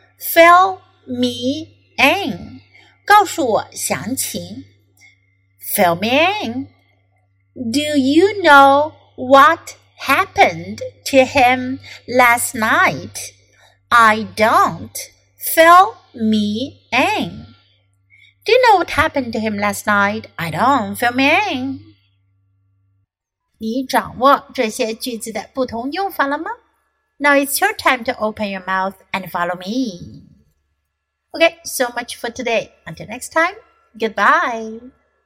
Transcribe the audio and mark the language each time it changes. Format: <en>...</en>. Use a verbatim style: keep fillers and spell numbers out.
<en>Fill me in.</en> <zh>告诉我详情。</zh> <en>Fill me in. Do you know what happened to him last night? I don't. Fill me in. Do you know what happened to him last night? I don't. Fill me in.</en> <zh>你掌握这些句子的不同用法了吗？</zh> <en>Now it's your time to open your mouth and follow me. Okay, so much for today. Until next time, goodbye.</en>